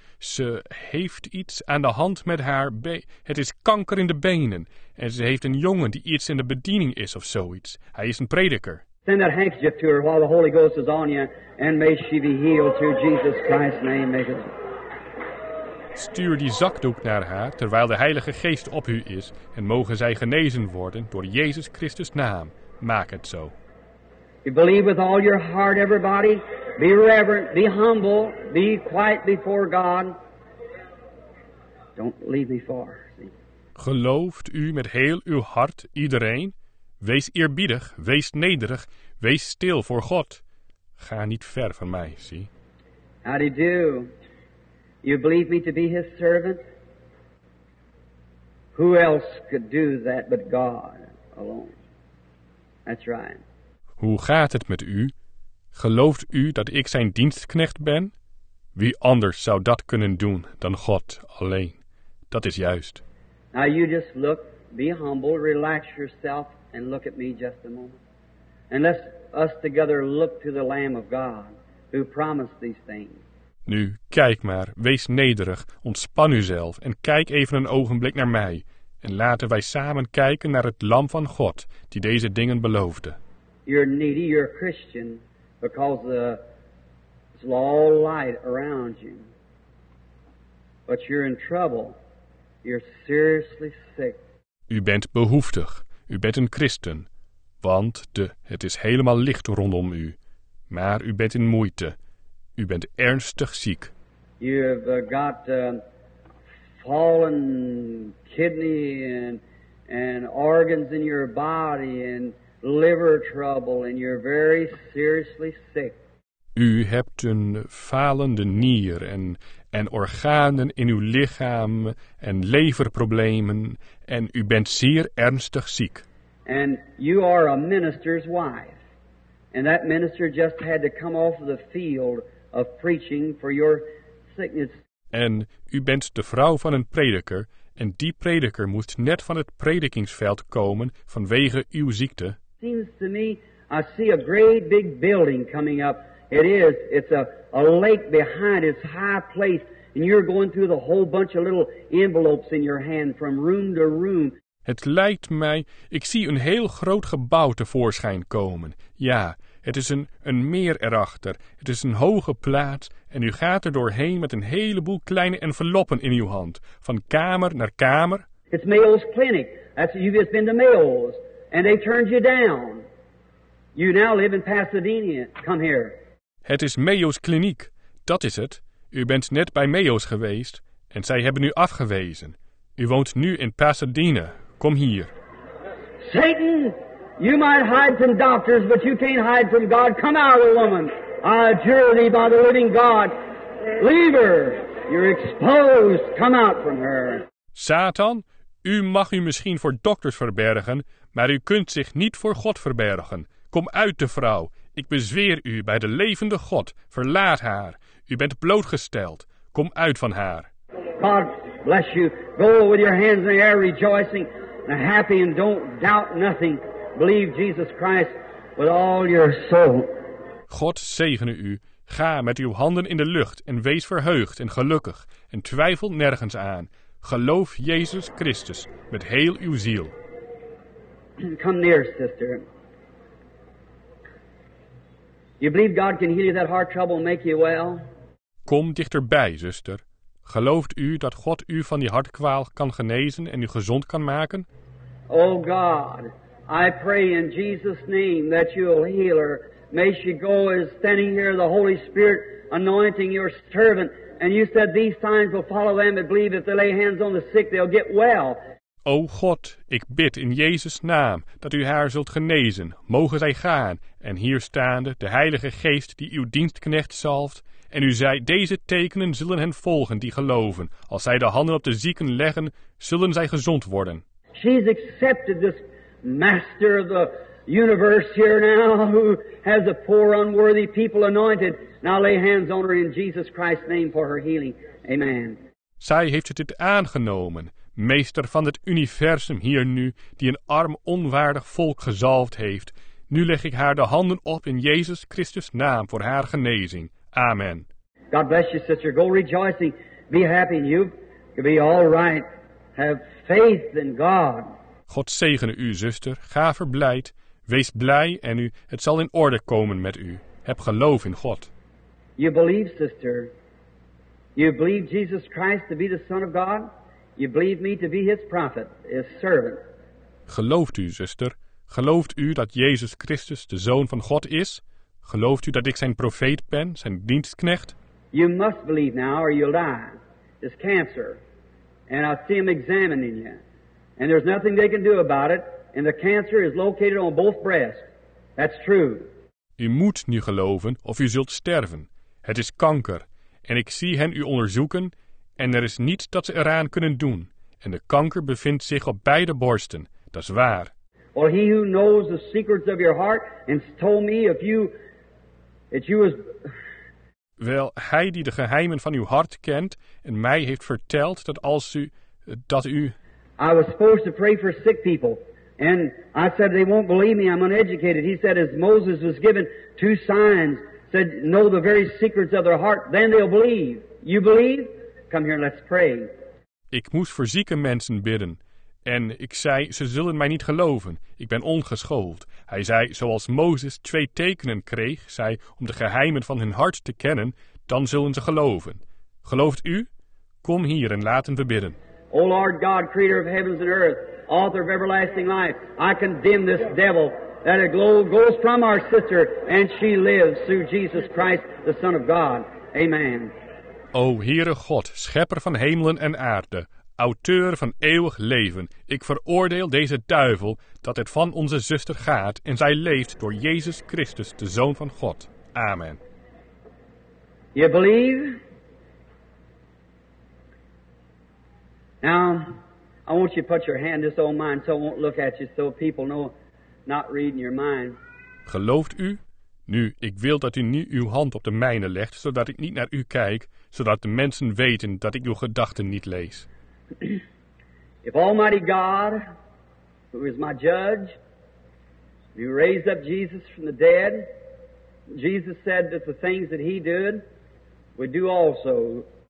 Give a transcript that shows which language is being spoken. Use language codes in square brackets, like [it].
[nl] Ze heeft iets aan de hand met haar het is kanker in de benen. En ze heeft een jongen die iets in de bediening is of zoiets. Hij is een prediker. [en] Send that handkerchief to her while the Holy Ghost is on you. And may she be healed through Jesus Christ's name. May it... [nl] Stuur die zakdoek naar haar, terwijl de Heilige Geest op u is, en mogen zij genezen worden door Jezus Christus' naam. Maak het zo. [en] You believe with all your heart, everybody. Be reverent, be humble, be quiet before God. Don't leave me far. See? [nl] Gelooft u met heel uw hart iedereen? Wees eerbiedig, wees nederig, wees stil voor God. Ga niet ver van mij, zie. [en] How do you do? You believe me to be his servant? Who else could do that but God alone? That's right. [nl] Hoe gaat het met u? Gelooft u dat ik zijn dienstknecht ben? Wie anders zou dat kunnen doen dan God alleen? Dat is juist. [en] Now you just look, be humble, relax yourself and look at me just a moment. And let us together look to the Lamb of God who promised these things. [nl] Nu, kijk maar, wees nederig, ontspan uzelf en kijk even een ogenblik naar mij. En laten wij samen kijken naar het Lam van God die deze dingen beloofde. [en] You're needy, you're a Christian, because there's all light around you. But you're in trouble. You're seriously sick. [nl] U bent behoeftig, u bent een Christen, want het is helemaal licht rondom u. Maar u bent in moeite. U bent ernstig ziek. [en] You have got fallen kidney and organs in your body and liver trouble and you're very seriously sick. [nl] U hebt een falende nier en organen in uw lichaam en leverproblemen en u bent zeer ernstig ziek. [en] And you are a minister's wife. And that minister just had to come off the field of preaching for your sickness. [nl] En u bent de vrouw van een prediker en die prediker moest net van het predikingsveld komen vanwege uw ziekte. [en] Seems to me I see a great big building coming up. It is. It's a lake behind. It's high place and you're going through the whole bunch of little envelopes in your hand from room to room. [nl] Het lijkt mij, ik zie een heel groot gebouw tevoorschijn komen. Ja. Het is een meer erachter. Het is een hoge plaats en u gaat er doorheen met een heleboel kleine enveloppen in uw hand, van kamer naar kamer. [en] It's Mayo's Clinic. That's it. You've just been to Mayo's and they turned you down. You now live in Pasadena. Come here. [nl] Het is Mayo's Kliniek. Dat is het. U bent net bij Mayo's geweest en zij hebben u afgewezen. U woont nu in Pasadena. Kom hier. [en] Satan! You might hide from doctors, but you can't hide from God. Come out of the woman. I adjure thee by the living God. Leave her. You're exposed. Come out from her. [nl] Satan, u mag u misschien voor dokters verbergen, maar u kunt zich niet voor God verbergen. Kom uit de vrouw. Ik bezweer u bij de levende God. Verlaat haar. U bent blootgesteld. Kom uit van haar. [en] God bless you. Go with your hands in the air rejoicing and happy and don't doubt nothing. Believe Jesus Christ with all your soul. [nl] God zegene u. Ga met uw handen in de lucht en wees verheugd en gelukkig en twijfel nergens aan. Geloof Jezus Christus met heel uw ziel. [en] Come near, sister. You believe God can heal you that heart trouble and make you well? [nl] Kom dichterbij, zuster. Gelooft u dat God u van die hartkwaal kan genezen en u gezond kan maken? [en] Oh God, I pray in Jesus' name that you will heal her. May she go as standing here, the Holy Spirit anointing your servant. And you said these signs will follow them that believe if they lay hands on the sick, they'll get well. [nl] O God, ik bid in Jezus' naam dat u haar zult genezen. Mogen zij gaan en hier staande de Heilige Geest die uw dienstknecht zalft. En u zei, deze tekenen zullen hen volgen die geloven. Als zij de handen op de zieken leggen, zullen zij gezond worden. [en] She's accepted this master of the universe here now who has the poor unworthy people anointed. Now lay hands on her in Jesus Christ's name for her healing. Amen. [nl] Zij heeft het aangenomen, meester van het universum hier nu, die een arm onwaardig volk gezalfd heeft. Nu leg ik haar de handen op in Jezus Christus naam voor haar genezing. Amen. [en] God bless you, sister. Go rejoicing. Be happy in you. You'll be all right. Have faith in God. [nl] God zegene u, zuster. Ga verblijd. Wees blij en het zal in orde komen met u. Heb geloof in God. [en] You believe, sister. You believe Jesus Christ to be the Son of God? You believe me to be his prophet, his servant? [nl] Gelooft u, zuster? Gelooft u dat Jezus Christus de Zoon van God is? Gelooft u dat ik zijn profeet ben, zijn dienstknecht? [en] You must believe now or you'll die. It's cancer. And I see him examining you. And there's nothing they can do about it. And the cancer is located on both breasts. That's true. [nl] U moet nu geloven of u zult sterven. Het is kanker. En ik zie hen u onderzoeken. En er is niets dat ze eraan kunnen doen. En de kanker bevindt zich op beide borsten. Dat is waar. [en] Or he who knows the secrets of your heart and told me if you... [nl] Wel, hij die de geheimen van uw hart kent en mij heeft verteld dat als u, [en] I was supposed to pray for sick people. And I said, they won't believe me, I'm uneducated. He said, as Moses was given two signs, said, know the very secrets of their heart, then they'll believe. You believe? Come here, let's pray. [nl] Ik moest voor zieke mensen bidden. En ik zei, ze zullen mij niet geloven. Ik ben ongeschoold. Hij zei, zoals Mozes twee tekenen kreeg, zei, om de geheimen van hun hart te kennen, dan zullen ze geloven. Gelooft u? Kom hier en laten we bidden. [en] O Lord God, creator of heavens and earth, author of everlasting life, I condemn this devil that it goes from our sister and she lives through Jesus Christ, the Son of God. Amen. [nl] O Heere God, schepper van hemelen en aarde, auteur van eeuwig leven, ik veroordeel deze duivel dat het van onze zuster gaat en zij leeft door Jezus Christus, de Zoon van God. Amen. [en] You believe? Now, I want you to put your hand this on mine so I won't look at you, so people know not reading your mind. [nl] Gelooft u? Nu, ik wil dat u nu uw hand op de mijne legt, zodat ik niet naar u kijk, zodat de mensen weten dat ik uw gedachten niet lees. [en] If Almighty God, who is my judge, who raised up Jesus from the dead, Jesus said that the things that he did, we do also.